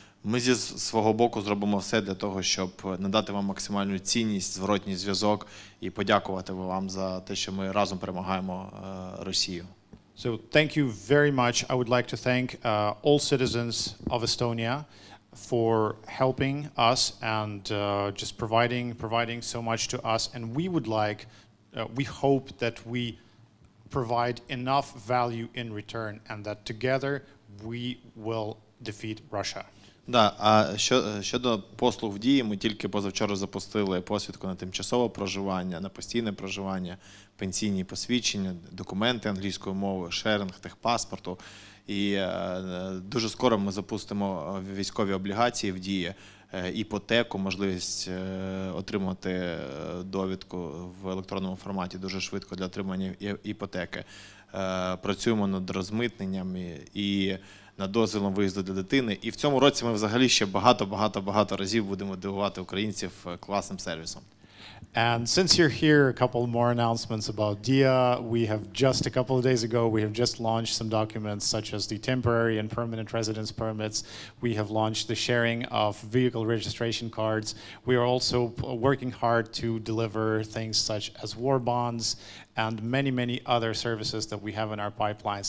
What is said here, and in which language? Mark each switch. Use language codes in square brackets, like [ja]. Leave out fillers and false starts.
[uk] Ми зі свого боку зробимо все для того, щоб надати вам максимальну цінність, зворотній зв'язок і подякувати вам за те, що ми разом перемагаємо Росію. [en] So, thank you very much. I would like to thank all citizens of Estonia for helping us and just providing so much to us. And we would like, we hope that we provide enough value in return and that together we will defeat Russia. [uk] Да, а щодо послуг в Дії, ми тільки позавчора запустили посвідку на тимчасове проживання, на постійне проживання, пенсійні посвідчення, документи англійською мовою, шеринг, техпаспорту. І дуже скоро ми запустимо військові облігації в Дії, іпотеку, можливість отримати довідку в електронному форматі дуже швидко для отримання іпотеки. Працюємо над розмитненням і над дозволом виїзду для дитини. І в цьому році ми взагалі ще багато разів будемо дивувати українців класним сервісом. [en] And since you're here, a couple more announcements about DIA. We have just a couple of days ago, we have just launched some documents such as the temporary and permanent residence permits. We have launched the sharing of vehicle registration cards. We are also working hard to deliver things such as war bonds and many, many other services that we have in our pipeline.